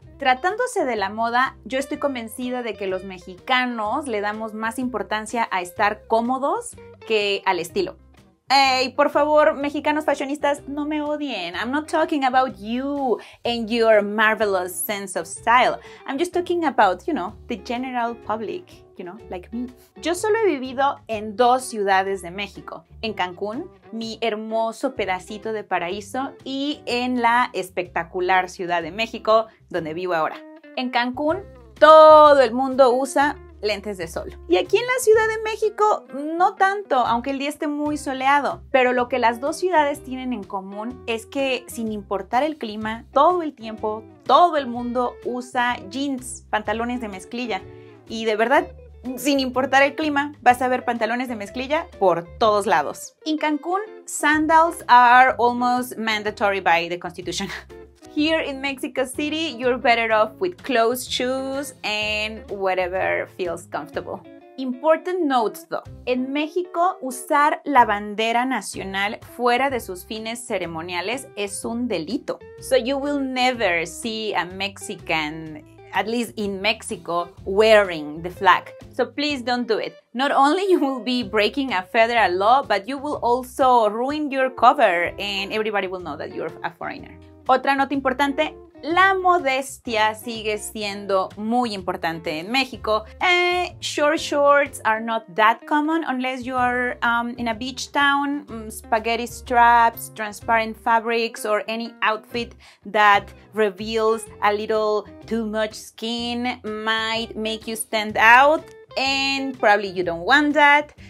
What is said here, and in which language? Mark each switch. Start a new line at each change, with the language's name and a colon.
Spanish: Tratándose de la moda, yo estoy convencida de que los mexicanos le damos más importancia a estar cómodos que al estilo. Hey, por favor, mexicanos fashionistas, no me odien.
English: I'm not talking about you and your marvelous sense of style. I'm just talking about, you know, the general public, you know, like me.
Spanish: Yo solo he vivido en dos ciudades de México. En Cancún, mi hermoso pedacito de paraíso, y en la espectacular Ciudad de México, donde vivo ahora. En Cancún, todo el mundo usa lentes de sol. Y aquí en la Ciudad de México, no tanto, aunque el día esté muy soleado. Pero lo que las dos ciudades tienen en común es que, sin importar el clima, todo el tiempo, todo el mundo usa jeans, pantalones de mezclilla. Y de verdad, sin importar el clima, vas a ver pantalones de mezclilla por todos lados.
English: En Cancún, sandals are almost mandatory by the constitution. Here in Mexico City, you're better off with closed shoes and whatever feels comfortable. Important notes though.
Spanish: En México, usar la bandera nacional fuera de sus fines ceremoniales es un delito.
English: So you will never see a Mexican, at least in Mexico, wearing the flag. So please don't do it. Not only you will be breaking a federal law, but you will also ruin your cover and everybody will know that you're a foreigner.
Spanish: Otra nota importante, la modestia sigue siendo muy importante en México.
English: Short shorts are not that common unless you are in a beach town. Spaghetti straps, transparent fabrics, or any outfit that reveals a little too much skin might make you stand out, and probably you don't want that.